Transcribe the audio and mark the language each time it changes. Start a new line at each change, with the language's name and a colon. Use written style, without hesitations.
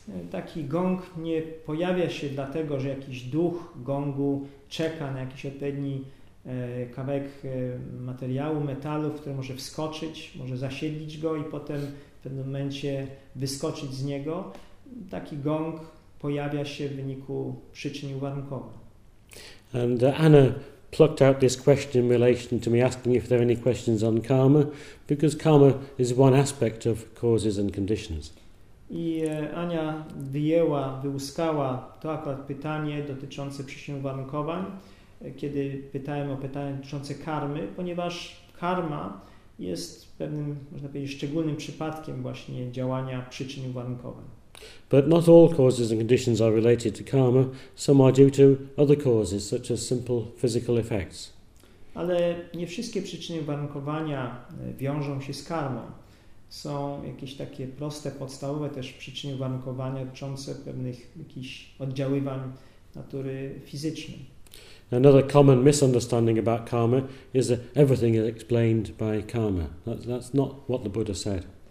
Polish: Taki gong nie pojawia się dlatego, że jakiś duch gongu czeka na jakiś odpowiedni kawałek materiału, metalu, w który może wskoczyć, może zasiedlić go i potem w pewnym momencie wyskoczyć z niego. Taki gong pojawia się w wyniku przyczyn uwarunkowań.
English: And Anna plucked out this question in relation to me asking if there are any questions on karma, because karma is one aspect of causes and conditions.
Polish: I Ania wyjęła, wyłuskała to akurat pytanie dotyczące przyczyn uwarunkowań, kiedy pytałem o pytanie dotyczące karmy, ponieważ karma jest pewnym, można powiedzieć, szczególnym przypadkiem właśnie działania przyczyn uwarunkowań.
English: But not all causes and conditions are related to karma. Some are due to other causes, such as simple physical effects.
Polish: Ale nie wszystkie przyczyny uwarunkowania wiążą się z karmą. Są jakieś takie proste, podstawowe też przyczyny uwarunkowania dotyczące pewnych jakichś oddziaływań natury fizycznej.
English: Another common misunderstanding about karma is that everything is explained by karma. That's not what the Buddha said.